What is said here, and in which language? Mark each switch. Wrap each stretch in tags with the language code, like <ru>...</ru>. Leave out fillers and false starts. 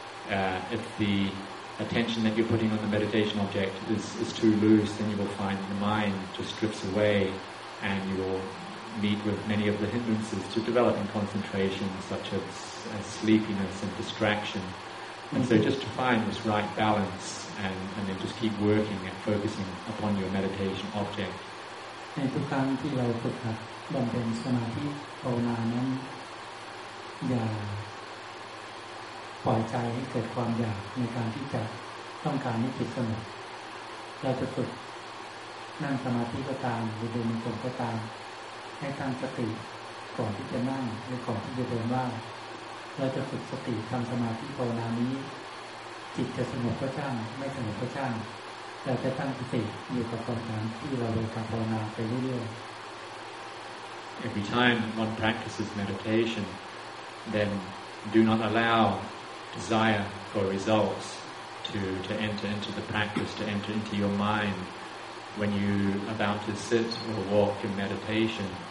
<en>If the attention that you're putting on the meditation object is too loose, then you will find the mind just drifts away and you willmeet with many of the hindrances to developing concentration such as sleepiness and distraction and so just to find this right balance and then just keep working and focusing upon your meditation object</en> <th>ในทุกครั้งที่เราฝึกหัดบำเพ็ญสมาธิภาวนานั้นอย่าปล่อยใจให้เกิดความอยากในการที่จะต้องการให้จิตสงบเราจะฝึก นั่งสมาธิก็ตามหรือเดินจงกรมก็ตามให้ตั้งสติก่อนที่จะนั่งหรือก่อนที่จะเดินว่าเราจะฝึกสติทำสมาธิภาวนานี้จิตจะสงบก็ช่างไม่สงบก็ช่างเราจะตั้งสติอยู่กับความงานที่เราเลยการภาวนาไปเรื่อย</th> <en>ๆ Every time one practices meditation then do not allow desire for results to enter into the practice to enter into your mindWhen you're about to sit or walk in meditation,</en>